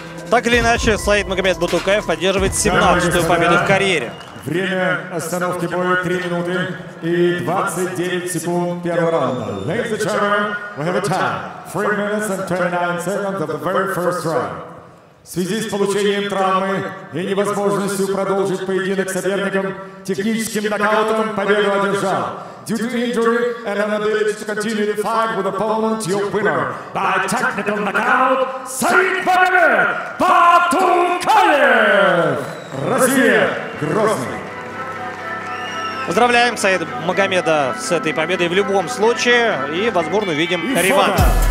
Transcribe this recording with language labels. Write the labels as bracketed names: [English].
[Russian] Так или иначе, Саидмагомед Батукаев поддерживает 17-ю победу в карьере. Время остановки боя 3 минуты и 29 секунд первого раунда. [English] Ladies and gentlemen, we have a time. 3 minutes and 29 seconds of the very first round. [Russian] В связи с получением травмы и невозможностью продолжить поединок с соперником, техническим нокаутом победу одержал. [English] Due to injury and inability to continue the fight with opponent, your winner by technical knockout, Саидмагомед Батукаев! [Russian] Россия! Грозный! Поздравляем Саидмагомеда с этой победой в любом случае и, возможно, увидим реванш.